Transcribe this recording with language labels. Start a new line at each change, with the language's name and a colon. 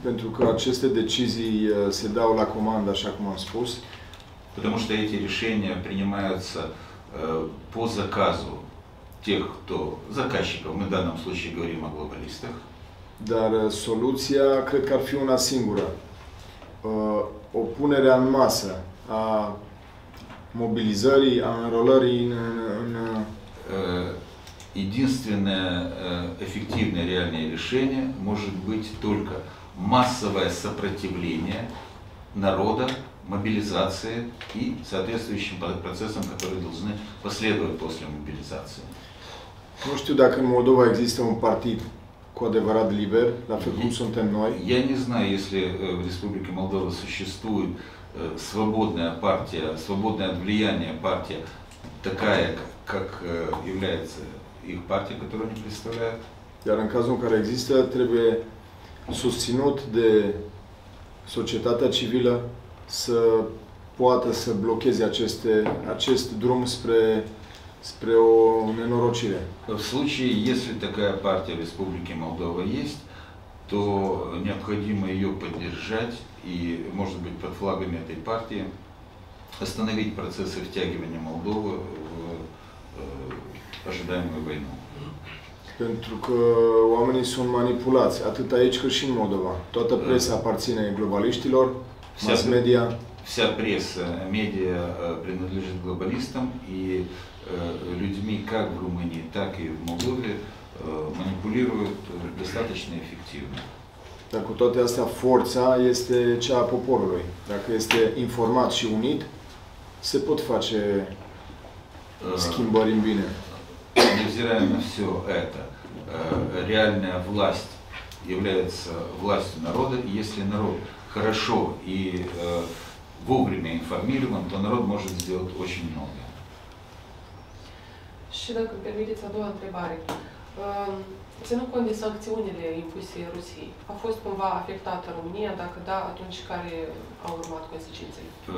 Romanian: Pentru că aceste decizii se dau la comandă, așa cum am spus.
Russian: Потому что эти решения принимаются по заказу тех, кто заказчиков, мы в данном случае говорим о глобалистах.
Romanian: Dar soluția cred că ar fi una singură. O punere în masă a
Russian: мобилизации, анролари на единственное эффективное реальное решение может быть только массовое сопротивление народа, мобилизации и соответствующим процессам, которые должны последовать после мобилизации. Ну что, да, как Молдова
Romanian: existe un partid cu adevărat liber, la fel cum suntem noi?
Russian: Я не знаю, если в Республике Молдова существует свободная партия, свободное от влияния партия, такая, как является их партия, которую они представляют.
Romanian: Iar în cazul în care există, trebuie susținut de societatea civilă să poată să blocheze acest drum spre o nenorocire.
Russian: В случае, если такая партия в Республике Молдова есть, то необходимо ее поддержать и, может быть, под флагами этой партии остановить процессы втягивания Молдовы в ожидаемую войну.
Romanian: Pentru că oamenii sunt manipulați, atât aici cât și în Moldova. Toată presa aparține globaliștilor, mass-media.
Russian: Вся пресса, медиа принадлежит глобалистам и людьми как в Румынии, так и в Молдове манипулируют достаточно эффективно.
Romanian: Dar cu toate astea, forța este cea a poporului. Dacă este informat și unit, se pot face schimbări în bine.
Russian: Невзирая на все это, реальная власть является властью народа, и если народ хорошо и вовремя информирован, то народ может сделать очень много.
Romanian: Și dacă permiteți, a doua întrebare. Ținând cont de sancțiunile impuse Rusiei, a fost cumva afectată România? Dacă da, atunci care au urmat consecințele?